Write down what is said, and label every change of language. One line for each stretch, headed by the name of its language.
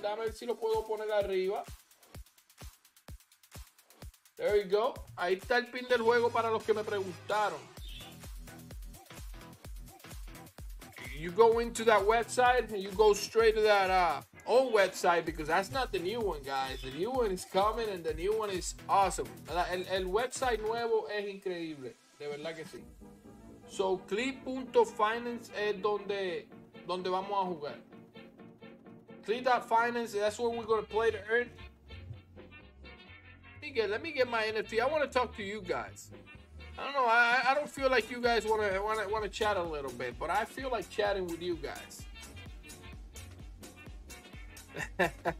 Spanish: Dame a ver si lo puedo poner arriba.
English: There you go.
Spanish: Ahí está el pin del juego para los que me preguntaron.
English: You go into that website and you go straight to that old website, because that's not the new one, guys. The new one is coming and the new one is awesome.
Spanish: El website nuevo es increíble. De verdad que sí. So, Klee.finance es donde vamos a jugar.
English: Klee.finance, that's where we're going to play to earn. Let me get my NFT. I want to talk to you guys. I don't know. I don't feel like you guys want to chat a little bit, but I feel like chatting with you guys.